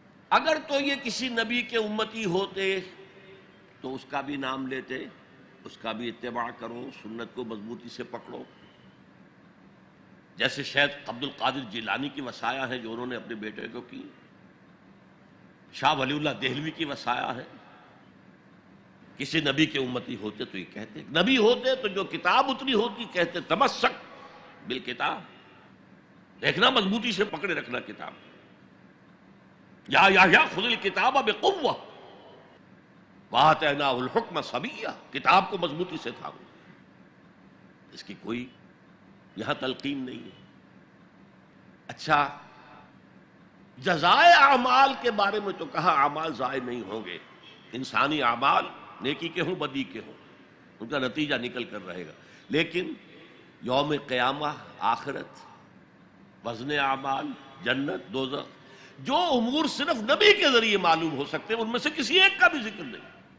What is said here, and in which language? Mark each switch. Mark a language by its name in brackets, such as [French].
[Urdu] اگر تو یہ کسی نبی کے امتی ہوتے تو اس کا بھی نام لیتے, اس کا بھی اتباع کرو, سنت کو مضبوطی سے پکڑو, جیسے شاید عبد القادر جیلانی کی وصایا ہے جو انہوں نے اپنے بیٹے کو کی, شاہ ولی اللہ دہلوی کی وصایا ہے. کسی نبی کے امتی ہوتے تو یہ کہتے, نبی ہوتے تو جو کتاب اتنی ہوتی کہتے, [Arabic] تمسک بالکتاب, [Urdu] دیکھنا مضبوطی سے پکڑے رکھنا کتاب. [Arabic] یا خذ الکتاب بقوہ وآتیناہ الحکم صبیہ, [Urdu] کتاب کو مضبوطی سے تھامو. اس کی کوئی یہاں تلقین نہیں ہے. اچھا, جزائے اعمال کے بارے میں تو کہا اعمال ضائع نہیں ہوں گے, انسانی اعمال نیکی کے ہوں بدی کے ہوں ان کا نتیجہ نکل کر رہے گا, لیکن یوم قیامہ, آخرت, وزن اعمال, جنت دوزخ, جو امور صرف نبی کے ذریعے معلوم ہو سکتے ہیں, ان میں سے کسی ایک کا بھی ذکر نہیں.